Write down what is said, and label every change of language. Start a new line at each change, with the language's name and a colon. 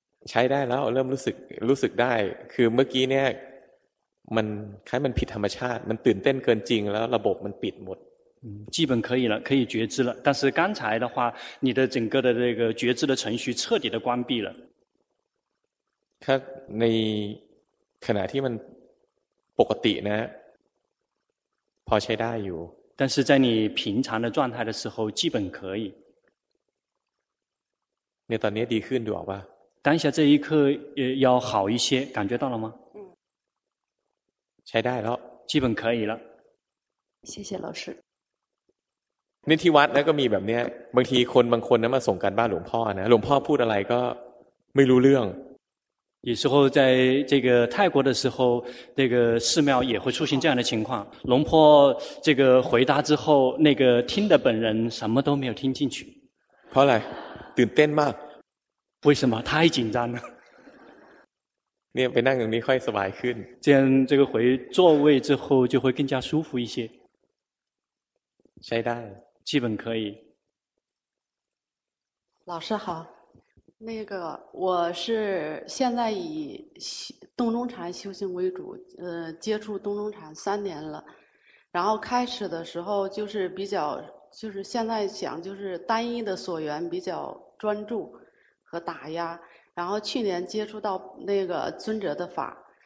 Thai: ใช้ได้แล้วเริ่มรู้สึกได้คือเมื่อกี้เนี่ยมันคล้ายมันผิดธรรมชาติมันตื่นเต้นเกินจริงแล้วระบบมันปิดหมด
Chinese: 基本可以了可以觉知了但是刚才的话你的整个的这个觉知的程序彻底的关闭了
Thai: ในขณะที่มันปกตินะพอใช้ได้อยู่
Chinese: 但是在你平常的状态的时候基本可以
Thai: ในตอนนี้ดีขึ้นดูออกป่ะ
Chinese: 当下这一刻要好一些，感觉到了吗？
Thai: 嗯，ใช้ได้แล้ว，
Chinese: 基本可以了。谢谢老师。
Thai: นี่ที่วัดแล้วก็มีแบบเนี้ยบางทีคนบางคนนะมาส่งการบ้านหลวงพ่อนะหลวงพ่อพูดอะไรก็ไม่รู้เรื่อง
Chinese: 有时候在这个泰国的时候，这个寺庙也会出现这样的情况。龙婆这个回答之后，那个听的本人什么都没有听进去。跑来，
Thai: ตื่นเต้นมาก。
Chinese: 为什么？太紧张了。
Thai: เนี่ยไปนั่งตรงนี้ค่อยสบายขึ้น。
Chinese: 这样这个回座位之后就会更加舒服一些。
Thai: ใช้ได้，
Chinese: 基本可以。老师好。那个我是现在以洞中禅修行为主，接触洞中禅3年了，然后开始的时候就是比较，就是现在想就是单一的所缘比较专注和打压，然后去年接触到那个尊者的法，